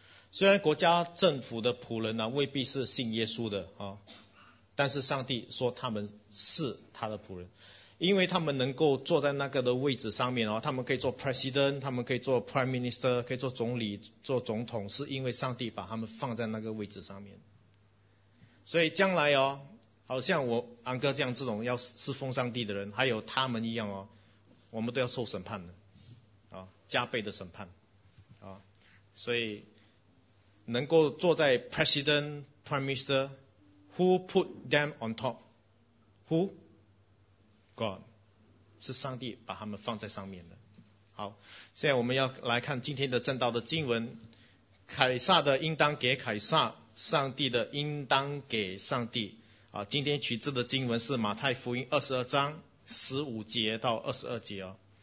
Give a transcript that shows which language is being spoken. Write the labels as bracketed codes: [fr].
[zh] 虽然国家政府的仆人呢、啊、未必是信耶稣的啊，但是上帝说他们是他的仆人，因为他们能够坐在那个的位置上面哦，他们可以做 president， 他们可以做 prime minister， 可以做总理、做总统，是因为上帝把他们放在那个位置上面。所以将来哦，好像我安哥这样这种要侍奉上帝的人，还有他们一样哦，我们都要受审判的啊，加倍的审判啊，所以。能够坐在 [en] President, Prime Minister, who put them on top? Who? God. [zh] 是上帝把他们放在上面的。好，现在我们要来看今天的正道的经文。凯撒的应当给凯撒，上帝的应当给上帝。啊，今天取自的经文是马太福音22章15节到22节哦。